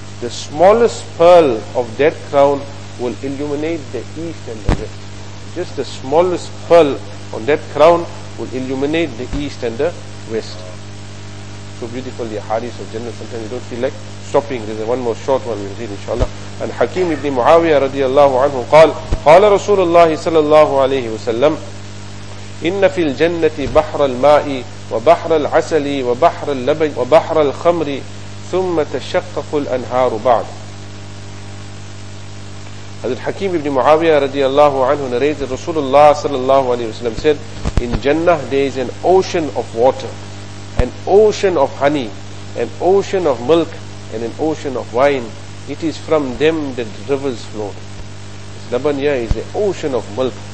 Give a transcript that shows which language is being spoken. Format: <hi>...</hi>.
<en>The smallest pearl of that crown will illuminate the east and the west. Just the smallest pearl on that crown will illuminate the east and the west. So beautiful the hadith of Jannah. Sometimes you don't feel like stopping. There's one more short one we'll read, inshallah.</en> <ar>And Hakim ibn Muawiyah radiallahu anhu qala Rasulullah sallallahu alayhi wa sallam, إن في الجنة بحر الماء وبحر العسل وبحر اللبن وبحر الخمر ثم تشقق الأنهار بعد.</ar> <en>Hazrat Hakim ibn Muawiyah radiallahu anhu narrated, Rasulullah sallallahu alayhi wa sallam said, in Jannah there is an ocean of water, an ocean of honey, an ocean of milk, and an ocean of wine. It is from them that rivers flow. This Laban here is an ocean of milk.</en>